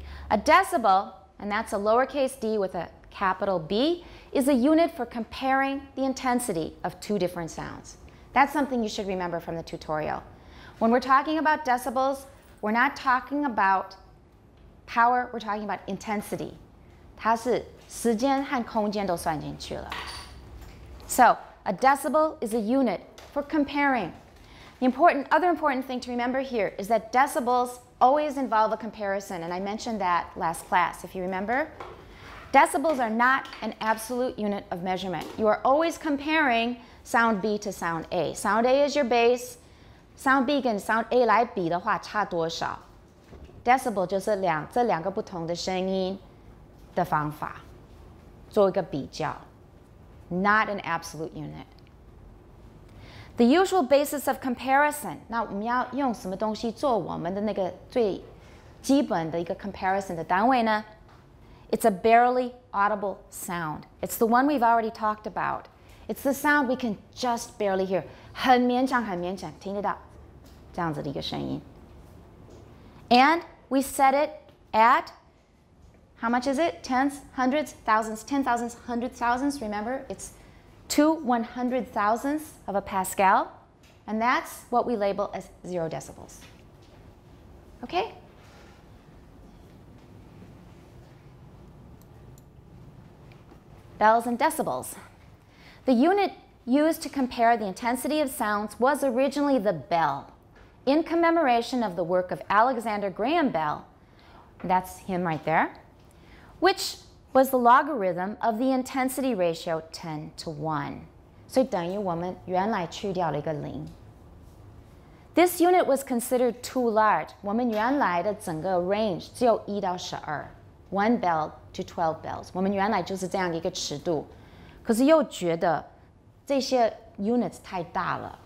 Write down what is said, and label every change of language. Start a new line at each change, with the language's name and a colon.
English: A decibel, and that's a lowercase d with a capital B, is a unit for comparing the intensity of two different sounds. That's something you should remember from the tutorial. When we're talking about decibels, we're not talking aboutPower, we're talking about intensity.
Chinese: 它是时间和空间都算进去了。
English: So, a decibel is a unit for comparing. The other important thing to remember here is that decibels always involve a comparison, and I mentioned that last class, if you remember. Decibels are not an absolute unit of measurement. You are always comparing sound B to sound A. Sound A is your base. Sound B
Chinese: 跟 sound A 来比的话差多少？ Decibel 就是这两个不同的声音的方法，做一个比较。
English: Not an absolute unit. The usual basis of comparison.
Chinese: 那我们要用什么东西做我们的那个最基本的一个 comparison 的单位呢？
English: It's a barely audible sound. It's the one we've already talked about. It's the sound we can just barely hear.
Chinese: 很勉强，很勉强听得到这样子的一个声音。
English: And we set it at, how much is it? Tens, hundreds, thousands, ten thousandths, hundred thousandths. Remember, it's 2/100,000ths of a pascal. And that's what we label as 0 decibels. Okay? Bells and decibels. The unit used to compare the intensity of sounds was originally the bell. In commemoration of the work of Alexander Graham Bell, that's him right there, which was the logarithm of the intensity ratio 10 to 1.
Chinese: 所以等于我们原来去掉了一个零。
English: This unit was considered too large.
Chinese: 我们原来的整个 range 只有1到12,
English: 1 bell to 12 bells.
Chinese: 我们原来就是这样一个尺度。可是又觉得这些 units 太大了。